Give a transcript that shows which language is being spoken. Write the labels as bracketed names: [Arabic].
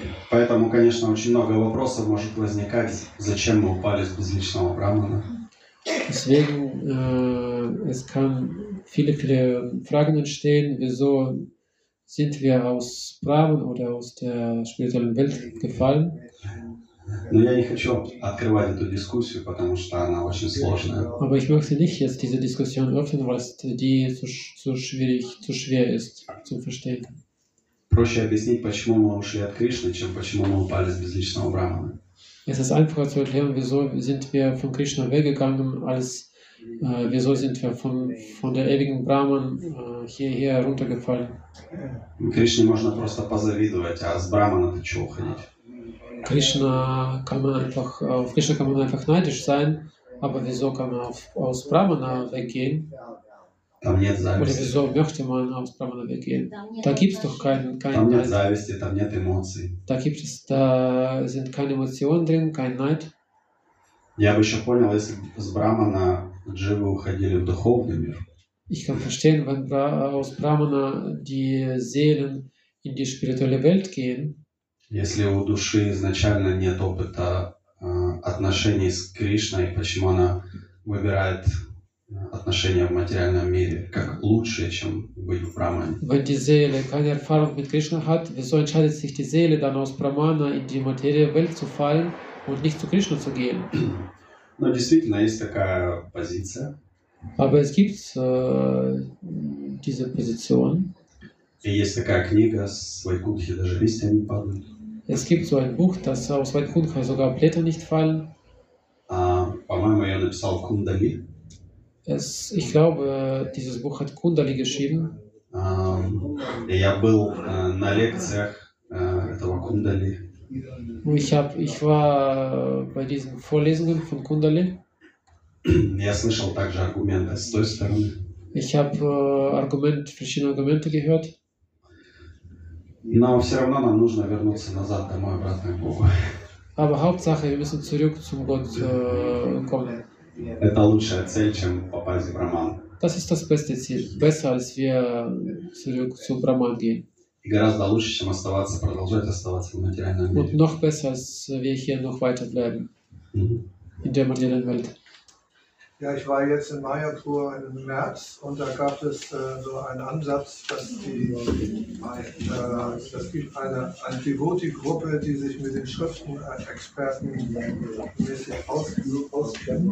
[Russian] Поэтому, конечно, очень много вопросов может возникать, зачем мы упали с безличного брахмана. [German] Deswegen, es kann viele, viele Fragen entstehen, wieso sind wir aus Brahman oder aus der spirituellen Welt gefallen. Aber ich möchte nicht jetzt diese Diskussion öffnen, weil die zu schwierig, zu schwer ist zu verstehen. [Russian] Проще объяснить, почему мы ушли от Кришны, чем почему мы упали с безличного брахмана. [German] Es ist einfacher zu erklären, wieso sind wir von Krishna weggegangen, als wieso sind wir von der ewigen Brahman hierher runtergefallen. [Russian] Krishna можно просто позавидовать, а с Брахмана ты чего уходить? [German] Krishna kann man einfach, auf Krishna kann man einfach neidisch sein, aber wieso kann man aus Brahmana weggehen? [Russian] Там нет зависти. [German] Oder wieso möchte man aus Brahmana weggehen? Da gibt es doch kein Neid. [Russian] Там нет зависти, там нет эмоций. [German] Da gibt es, da sind keine Emotionen drin, kein Neid. [Russian] Я бы еще понял, если бы с Брахмана дживы уходили в духовный мир. [German] Ich kann verstehen, wenn aus Brahmana die Seelen in die spirituelle Welt gehen. [Russian] Если у души изначально нет опыта отношений с Кришной, почему она выбирает отношения в материальном мире как лучшее, чем быть в Брахмане. [German] Wenn die Seele keine Erfahrung mit Krishna hat, wieso entscheidet sich die Seele dann aus Brahmana in die materielle Welt zu fallen und nicht zu Krishna zu gehen? [Russian] Но действительно есть такая позиция. [German] Aber es gibt diese Position. [Russian] И есть такая книга, с Вайкунхи даже листья не падают. [German] Es gibt so ein Buch, dass aus Вайкунха sogar Blätter nicht fallen. [Russian] По-моему, ее написал Кундали. [German] Ich glaube, dieses Buch hat Kundali geschrieben. [Russian] Я был на лекциях этого Кундали. [German] Ich war bei diesen Vorlesungen von Kundali. [Russian] Я слышал также аргументы с той стороны. [German] Ich habe verschiedene Argumente gehört. [Russian] Но все равно нам нужно вернуться назад домой обратно к Богу. [German] Aber Hauptsache, wir müssen zurück zum Gott kommen. [Russian] Это лучшая цель, чем попасть в Брахман. [German] Das ist das beste Ziel. Besser als wir zurück zu Brahman gehen. [Russian] И гораздо лучше, чем оставаться, продолжать оставаться в материальном мире. [German] Und noch besser, als wir hier noch weiter bleiben. Mm-hmm. In der materiellen Welt. Ja, ich war jetzt in Mayapur im März und da gab es so einen Ansatz, dass es gibt eine Devotee-Gruppe, die sich mit den Schriften expertenmäßig auskennt.